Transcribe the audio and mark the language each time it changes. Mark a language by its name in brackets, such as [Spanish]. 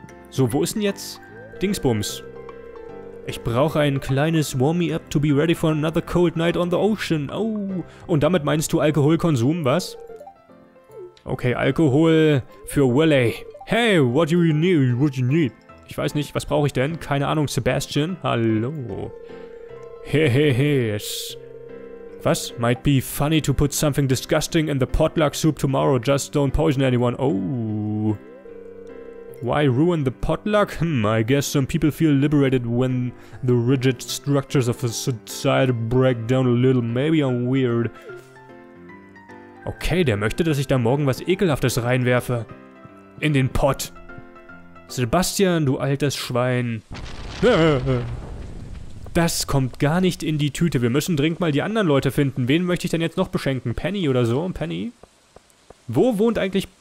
[German] So, wo ist denn jetzt Dingsbums? Ich brauche ein kleines Warm-me-up [English] to be ready for another cold night on the ocean. [German] Oh. Und damit meinst du Alkoholkonsum, was? Okay, Alkohol für Willy. [English] Hey, what do you need? What do you need? [German] Ich weiß nicht, was brauche ich denn? Keine Ahnung, Sebastian? Hallo. Hehehe. Was? [English] Might be funny to put something disgusting in the potluck soup tomorrow. Just don't poison anyone. Oh. Why ruin the potluck? I guess some people feel liberated when the rigid structures of a society break down a little. Maybe I'm weird. [German] Okay, der möchte, dass ich da morgen was Ekelhaftes reinwerfe. In den Pott. Sebastian, du altes Schwein. Das kommt gar nicht in die Tüte. Wir müssen dringend mal die anderen Leute finden. Wen möchte ich denn jetzt noch beschenken? Penny oder so? Penny? Wo wohnt eigentlich...